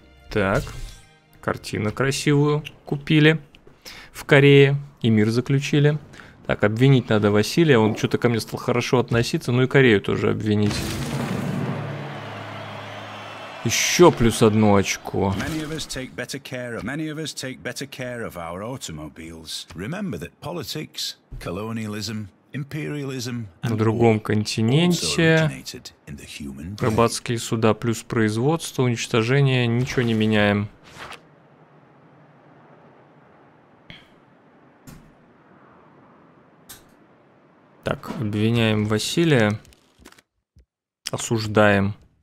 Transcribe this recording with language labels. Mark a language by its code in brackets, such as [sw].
[ru] Так, картину красивую купили в Корее и мир заключили. Так, обвинить надо Василия, он что-то ко мне стал хорошо относиться, ну и Корею тоже обвинить. Еще плюс одно очко. [en] Many of us take better care of, many of us take better care of our automobiles. Remember that politics, colonialism, imperialism and... [ru] На другом континенте. Рыбацкие суда плюс производство, уничтожение, ничего не меняем. Так, обвиняем Василия. Осуждаем.